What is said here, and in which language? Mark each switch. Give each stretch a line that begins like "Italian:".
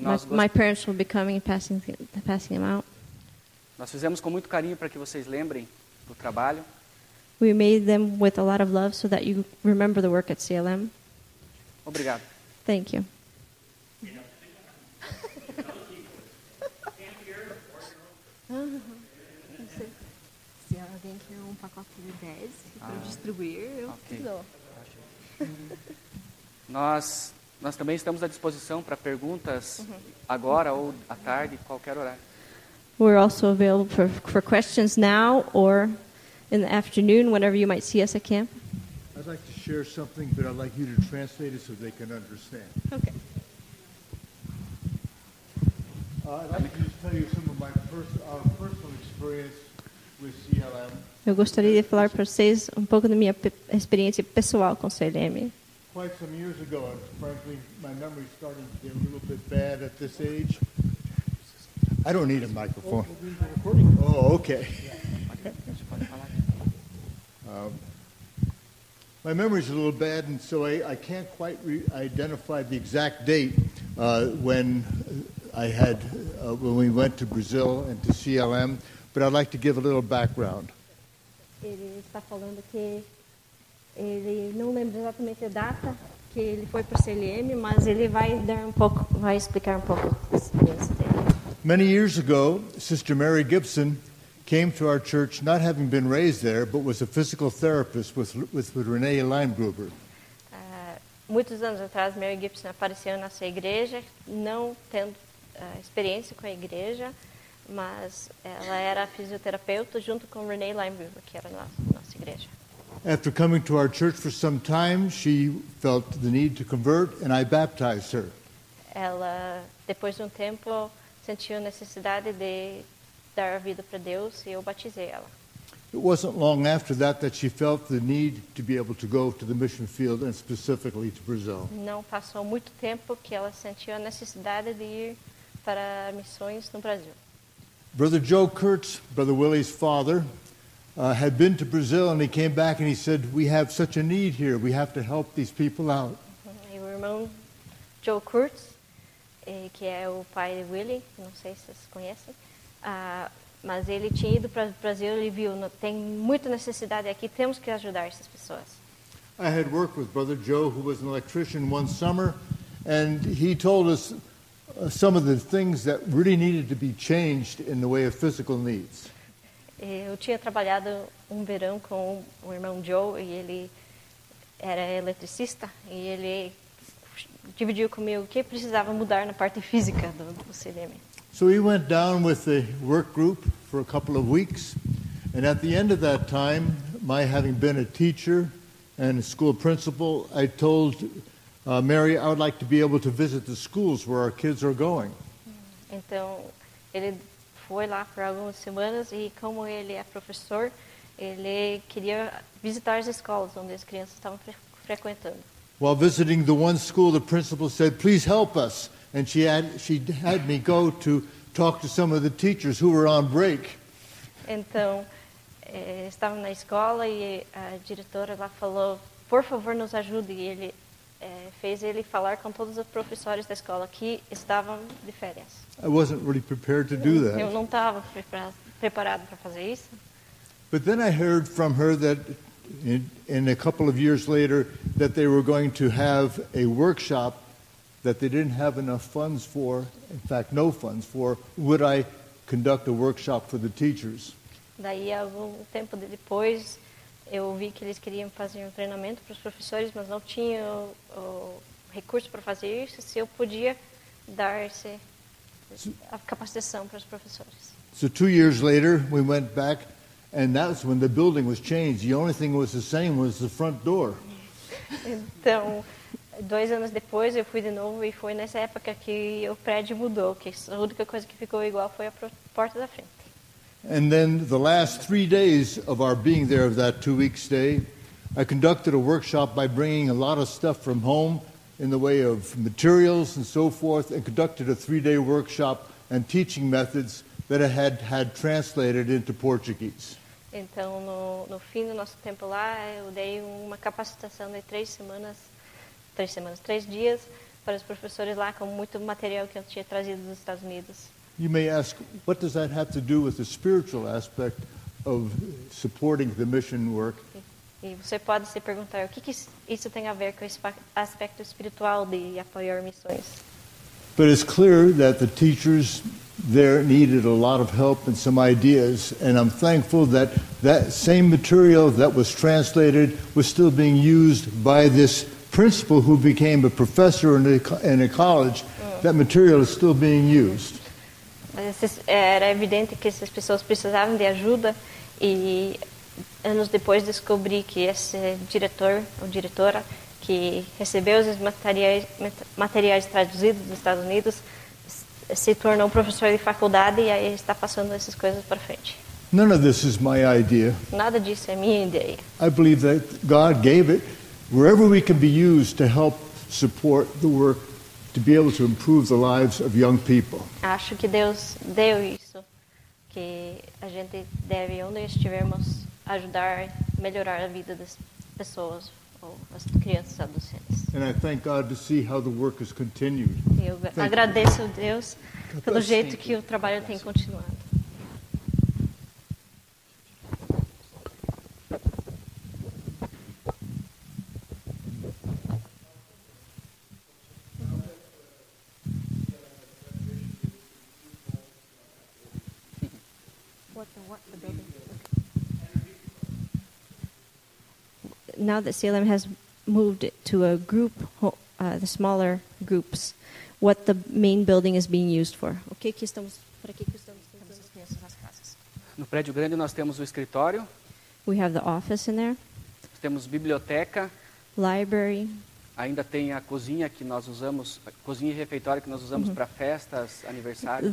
English: My parents will be coming and passing them out.
Portuguese: Nós fizemos com muito carinho para que vocês lembrem do trabalho.
English: We made them with a lot of love so that you remember the work at CLM.
Portuguese: Obrigado.
English: Thank you.
Portuguese: Se alguém quer um pacote de 10 para distribuir, eu preciso. Nós também estamos à disposição para perguntas agora ou à tarde, qualquer horário.
English: We're also available for questions now or in the afternoon, whenever you might see us at camp. I'd like to share something, but I'd like you to translate it so they can understand. Okay. I'd like to just tell you some of my personal experience with CLM.
Portuguese: Eu gostaria de falar para vocês um pouco da minha experiência pessoal com CLM.
English: quite some years ago, and frankly, my memory's starting to get a little bit bad at this age. I don't need a microphone. Oh, okay. My memory's a little bad, and so I can't quite identify the exact date when I had when we went to Brazil and to CLM, but I'd like to give a little background.
Portuguese: Ele está falando que ele não lembra exatamente a data que ele foi para o CLM, mas ele vai dar um pouco, vai explicar um pouco.
English: Many years ago, Sister Mary Gibson came to our church, not having been raised there, but was a physical therapist with Renee Limegruber.
Portuguese: Muitos anos atrás, Mary Gibson apareceu na sua igreja, não tendo experiência com a igreja, mas ela era fisioterapeuta junto com Renee Limegruber, que era nossa igreja.
English: After coming to our church for some time, she felt the need to convert, and I baptized her.
Portuguese: Ela, depois de tempo, sentiu necessidade de dar a vida para Deus e eu batizei ela.
English: It wasn't long after that that she felt the need to be able to go to the mission field and specifically to Brazil.
Portuguese: Não passou muito tempo que ela sentiu a necessidade de ir para missões no Brasil.
English: Brother Joe Kurtz, Brother Willie's father, had been to Brazil and he came back and he said, "We have such a need here. We have to help these people out."
Portuguese: E o irmão Joe Kurtz, que é o pai de Willie, não sei se vocês conhecem. Mas ele tinha ido para o Brasil e viu, tem muita necessidade aqui, temos que ajudar essas pessoas.
English: I had worked with Brother Joe, who was an electrician, one summer, and he told us some of the things that really needed to be changed in the way of physical needs.
Portuguese: Eu tinha trabalhado verão com o irmão Joe, e ele era eletricista, e ele dividiu comigo o que precisava mudar na parte física do CDM.
English: So he went down with the work group for a couple of weeks, and at the end of that time, my having been a teacher and a school principal, I told Mary I would like to be able to visit the schools where our kids are going.
Portuguese: Então, ele foi lá por algumas semanas e como ele é professor, ele queria visitar as escolas onde as crianças estavam frequentando.
English: While visiting the one school, the principal said, "Please help us." And she had me go to talk to some of the teachers who were on break.
Portuguese: Então, estava na escola e a diretora lá falou, "Por favor, nos ajude." E ele fez ele falar com todos os professores da escola que estavam de férias.
English: I wasn't really prepared to do that.
Portuguese: Eu não estava preparado para fazer isso.
English: But then I heard from her that in a couple of years later that they were going to have a workshop that they didn't have enough funds for, in fact, no funds for, would I conduct a workshop for the teachers.
Portuguese: Daí, algum tempo depois, eu vi que eles queriam fazer treinamento para os professores, mas não tinham o recurso para fazer isso, se eu podia dar a capacitação para os professores.
English: So 2 years later, we went back, and that was when the building was changed. The only thing that was the same was the front door.
Portuguese: Então, 2 anos depois, eu fui de novo e foi nessa época que o prédio mudou, que a única coisa que ficou igual foi a porta da frente.
English: And then the last 3 days of our being there of that 2 week stay, I conducted a workshop by bringing a lot of stuff from home in the way of materials and so forth, and conducted a 3 day workshop and teaching methods that I had translated into Portuguese.
Portuguese: Então, no fim do nosso tempo lá, eu dei uma capacitação de 3 dias para os professores lá com muito material que eu tinha trazido dos Estados Unidos.
English: You may ask, what does that have to do with the spiritual aspect of supporting the mission work?
Portuguese: E você pode se perguntar o que isso tem a ver com esse aspecto espiritual de apoiar missões.
English: But it's clear that the teachers there needed a lot of help and some ideas, and I'm thankful that that same material that was translated was still being used by this principal who became a professor in a college. That material is still being used.
Portuguese: Era evidente que essas pessoas precisavam de ajuda e anos depois descobri que esse diretor ou diretora que recebeu os materiais traduzidos dos Estados Unidos se tornou professor de faculdade e aí está passando essas coisas para frente.
English: None of this is my idea.
Portuguese: Nada disso é minha ideia.
English: I believe that God gave it wherever we can be used to help support the work to be able to improve the lives of young people.
Portuguese: Acho que Deus deu isso, que a gente deve, onde estivermos, ajudar, melhorar a vida das pessoas, ou as crianças, adolescentes.
English: And I thank God to see how the work has continued.
Portuguese: Eu agradeço a Deus pelo jeito que o trabalho tem continuado.
English: Now that CLM has moved to a group, the smaller groups, what the main building is being used for?
Portuguese: O que estamos, para que estamos usando as crianças nas casas? No prédio grande nós temos o escritório.
English: We have the office in there.
Portuguese: Temos biblioteca.
English: Library.
Portuguese: Ainda tem a cozinha que nós usamos, a cozinha e refeitório que nós usamos para festas, aniversários.